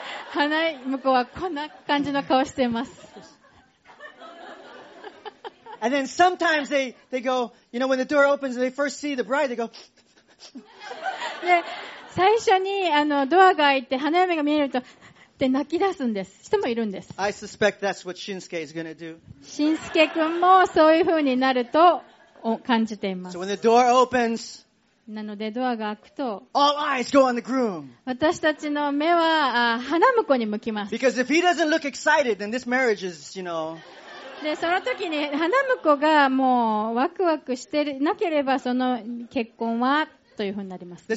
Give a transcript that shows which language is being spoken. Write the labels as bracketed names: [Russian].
[Japanese] 花婿はこんな感じの顔しています。 [English] And then sometimes they go, you know, when the door opens and they first see the bride, they go. [Japanese] で、最初にドアが開いて花嫁が見えるとで泣き出すんです。人もいるんです。 [English] I suspect that's what Shinsuke is going to do. [Japanese] シンスケ君もそういう風になると感じています。 [English] So when the door opens, [Japanese] なのでドアが開くと、 [English] all eyes go on the groom. [Japanese] 私たちの目は花婿に向きます。 [English] Because if he doesn't look excited, then this marriage is, you know. [Japanese] でその時に花婿がもうワクワクしてなければその結婚はというふうになりますね。